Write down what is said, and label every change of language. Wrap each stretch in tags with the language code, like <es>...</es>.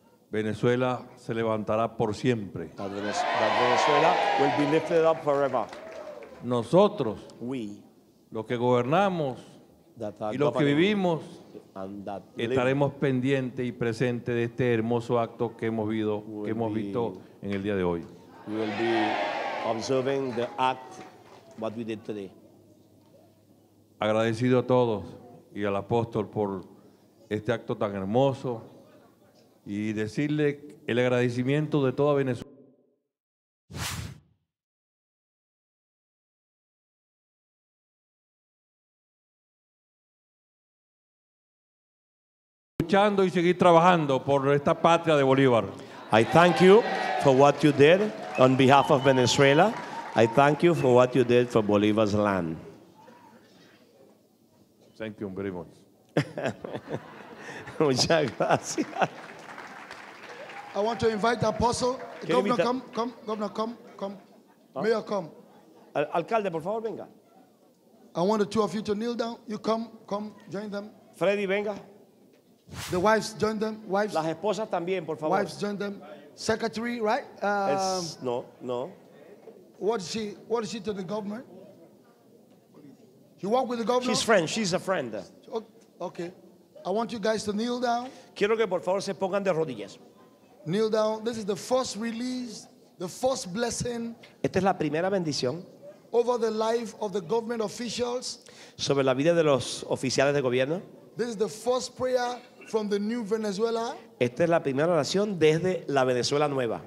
<es>Venezuela se levantará por siempre.</es> <en>That Venezuela will be lifted up forever.</en> <es>Nosotros.</es> <en>We.</en> <es>Los que gobernamos.</es> <en>That</en> <es>y los que vivimos.</es> <en>And that</en> <es>estaremos pendientes y presentes de este hermoso acto que hemos visto. Que hemos visto. En el día de hoy.</es> <en>We will be observing the act what we did today.</en> <es>Agradecido a todos y al apóstol por este acto tan hermoso y decirle el agradecimiento de toda Venezuela. Luchando y seguir trabajando por esta patria de Bolívar.</es> <en>I thank you for what you did on behalf of Venezuela. I thank you for what you did for Bolivar's land. Thank you very much.</en> <es>Muchas gracias.</es> <en>I want to invite the apostle. Governor, come. Governor, come. Huh? Mayor, come.</en> <es>Alcalde, por favor, venga.</es> <en>I want the two of you to kneel down. You come, join them.</en> <es>Freddy, venga.</es> <en>The wives, join them. Wives.</en> <es>Las esposas también, por favor.</es> <en>Wives, join them. Secretary, right? No. What is she to the government? She work with the government? She's friend. She's a friend. Okay. I want you guys to kneel down.</en> <es>Quiero que por favor se pongan de rodillas.</es> <en>Kneel down. This is the first release, the first blessing.</en> <es>Esta es la primera bendición.</es> <en>Over the life of the government officials.</en> <es>Sobre la vida de los oficiales de gobierno.</es> <en>This is the first prayer from the new Venezuela.</en> <es>Esta es la primera oración desde la Venezuela nueva.</es>